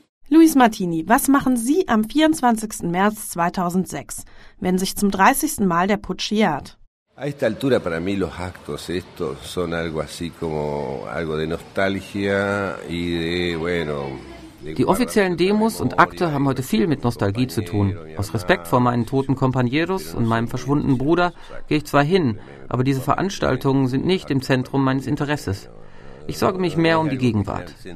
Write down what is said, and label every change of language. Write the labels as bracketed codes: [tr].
[de] Luis Martini, was machen Sie am 24. März 2006, wenn sich zum 30. Mal der Putsch jährt? [es] A esta altura para mí los actos estos son algo así como algo de nostalgia y de bueno. [de] Die offiziellen Demos und Akte haben heute viel mit Nostalgie zu tun. Aus Respekt vor meinen toten Kompanieros und meinem verschwundenen Bruder gehe ich zwar hin, aber diese Veranstaltungen sind nicht im Zentrum meines Interesses. Ich sorge mich mehr um die Gegenwart.